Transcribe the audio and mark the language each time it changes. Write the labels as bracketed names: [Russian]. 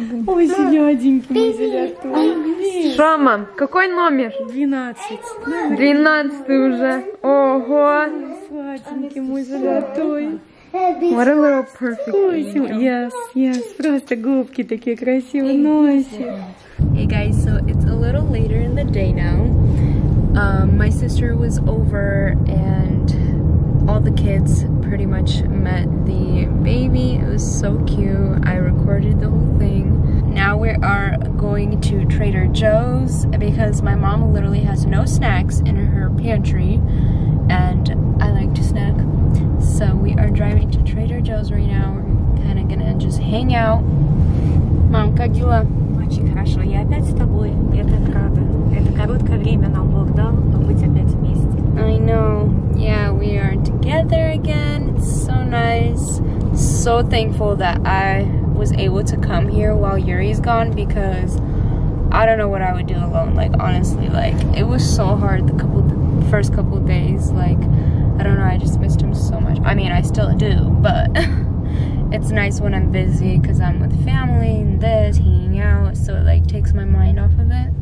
[Russian] Ой, зелененький мой зелятый. Шама, какой номер? 12. 12 уже. Ого. Сладенький мой золотой. [English] What a little perfect. Yes, yes, [Russian] просто губки такие красивые носит. [English] Hey guys, so it's a little later in the day now. My sister was over and all the kids pretty much met the baby. It was so cute. I recorded the whole thing. Now we are going to Trader Joe's because my mom literally has no snacks in her pantry and I like to snack. So we are driving to Trader Joe's right now. We're kind of gonna just hang out. Mom, [Russian] как дела? Очень хорошо. Я опять с тобой. Я так рада. Это короткое время нам Бог дал, но быть опять вместе. [English] I know. Yeah, we are together again. It's so nice. So thankful that I was able to come here while Yuri's gone because I don't know what I would do alone. Like, honestly, like, it was so hard the first couple days. Like, I don't know, I just missed him so much. I mean, I still do, but it's nice when I'm busy because I'm with family and this, hanging out, so it like takes my mind off of it.